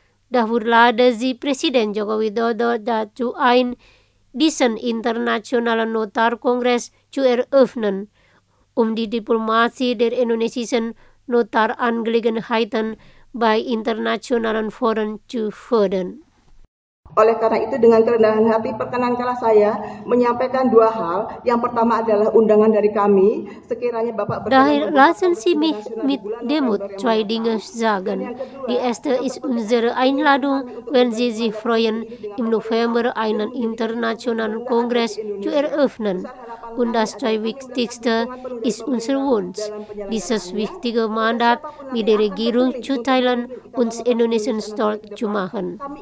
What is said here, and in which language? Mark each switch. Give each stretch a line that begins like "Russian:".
German: Dafür lade sie Präsident Joko Widodo dazu ein, diesen internationalen Notarkongress zu eröffnen, um die Diplomatie der indonesischen Notarangelegenheiten bei internationalen Foren zu fördern.
Indonesian: Oleh karena itu, dengan kerendahan hati, perkenankanlah saya menyampaikan dua hal. Yang pertama adalah undangan dari kami, sekiranya Bapak berkenan.
German: Daher lassen Sie mich mit Demut zwei Dinge sagen. Die erste ist unsere Einladung, wenn Sie sich freuen, im November einen internationalen Kongress zu eröffnen. Und das zweitwichtigste ist unser Wunsch, dieses wichtige Mandat mit der Regierung zu teilen und Indonesien stolz zu machen.